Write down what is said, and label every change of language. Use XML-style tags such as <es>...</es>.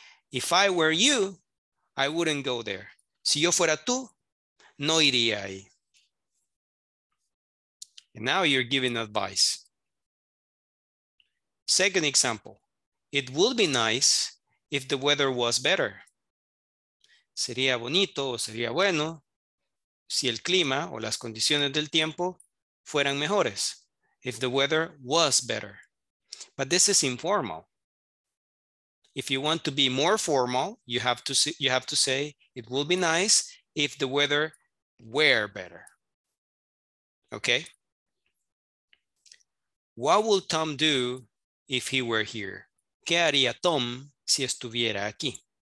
<en>If I were you, I wouldn't go there.</en> <es>Si yo fuera tú, no iría ahí.</es> <en>And now you're giving advice. Second example, it would be nice if the weather was better.</en> <es>Sería bonito o sería bueno si el clima o las condiciones del tiempo fueran mejores.</es> <en>If the weather was better. But this is informal. If you want to be more formal, you have to say, it will be nice if the weather were better. Okay? What would Tom do if he were here?</en> <es>¿Qué haría Tom si estuviera aquí?</es>